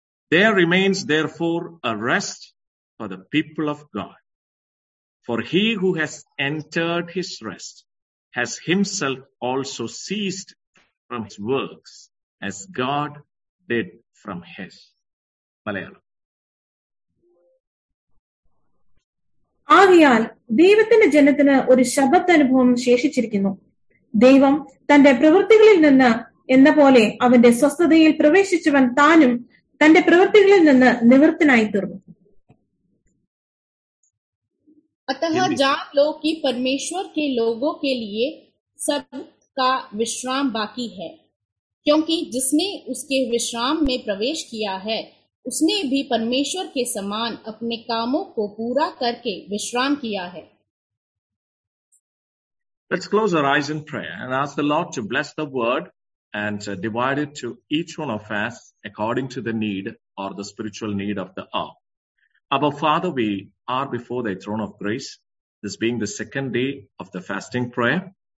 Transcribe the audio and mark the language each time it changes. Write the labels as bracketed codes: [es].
[en] There remains therefore a rest for the people of God. For he who has entered his rest has himself also ceased from his works, as God did from his. Malayalam. [ml] ആകയാൽ ദൈവത്തിന്റെ ജനത്തിന് ഒരു ശബത്ത് അനുഭവം ശേഷിച്ചിരിക്കുന്നു. ദൈവം തന്റെ പ്രവൃത്തികളിൽ നിന്ന് എന്ന പോലെ അവന്റെ സ്വസ്ഥതയിൽ പ്രവേശിച്ചവൻ താനും തന്റെ പ്രവൃത്തികളിൽ നിന്ന് നിവൃത്തനായി തീർന്നു. [hi] अतः जान लो कि परमेश्वर के लोगों के लिए सब का विश्राम बाकी है, क्योंकि जिसने उसके विश्राम में प्रवेश किया है उसने भी परमेश्वर के समान अपने कामों को पूरा करके विश्राम किया है. [en] Let's close our eyes in prayer and ask the Lord to bless the word and divide it to each one of us according to the need or the spiritual need of the hour. Our Father, we are before thy throne of grace, this being the second day of the fasting prayer.